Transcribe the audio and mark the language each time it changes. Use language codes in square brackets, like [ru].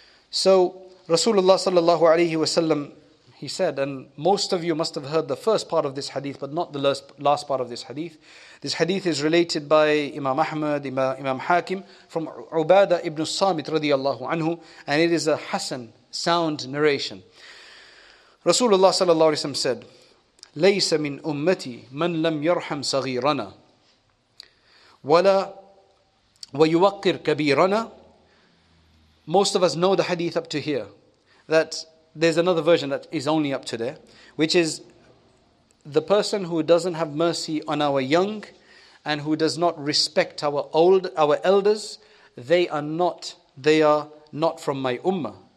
[en] So Rasulullah sallallahu alayhi wa sallam, he said, and most of you must have heard the first part of this hadith, but not the last part of this hadith. This hadith is related by Imam Ahmad, Imam Hakim, from Ubadah ibn Samit radiallahu anhu, and it is a hasan, sound narration. [ar] Rasulullah sallallahu alayhi wa sallam said, لَيْسَ مِنْ أُمَّتِي مَنْ لَمْ يَرْحَمْ صَغِيرَنَا وَلَا وَيُوَقِّرْ كَبِيرَنَا. [en] Most of us know the hadith up to here, that there's another version that is only up to there, which is the person who doesn't have mercy on our young and who does not respect our elders, they are not from my ummah.